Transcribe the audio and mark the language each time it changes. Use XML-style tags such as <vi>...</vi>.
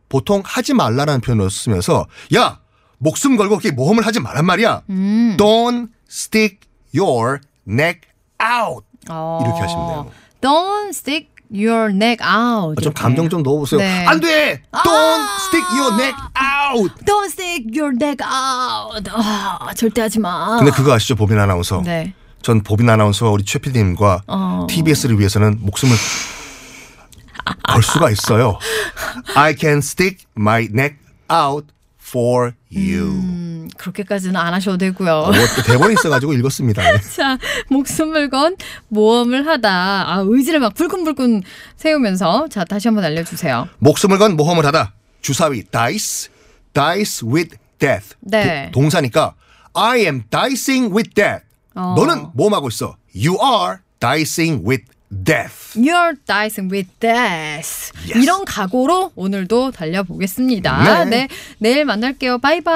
<ko>보통 하지 말라라는 표현을 쓰면서 야 목숨 걸고 이렇게 모험을 하지 말란 말이야.</ko> <en>Don't stick your neck out.</en> <ko>이렇게 하시면 돼요.</ko> <en>Don't stick your neck out.</en> <ko>좀 감정 좀 넣어보세요. 네. 안 돼.</ko> <en>Don't stick your neck out. Don't stick your neck out.</en> <ko>절대 하지 마. 근데 그거 아시죠? 보빈 아나운서. 네. 전 보빈 아나운서와 우리 최 PD님과 TBS를 위해서는 목숨을 걸 수가 있어요.</ko> <en>I can stick my neck out for you.</en> <ko>그렇게까지는 안 하셔도 되고요. 대본이 있어가지고 읽었습니다. 자, 목숨을 건 모험을 하다. 아, 의지를 막 불끈불끈 세우면서 자 다시 한번 알려주세요. 목숨을 건 모험을 하다.</ko> <en>주사위 dice, dice with death.</en> <ko>네. 동사니까</ko> <en>I am dicing with death.</en> <ko>너는 모험하고 있어.</ko> <en>You are dicing with death. You're dicing with death. Yes.</en> <ko>이런 각오로 오늘도 달려보겠습니다. 네. 내일 만날게요. 바이바이.</ko>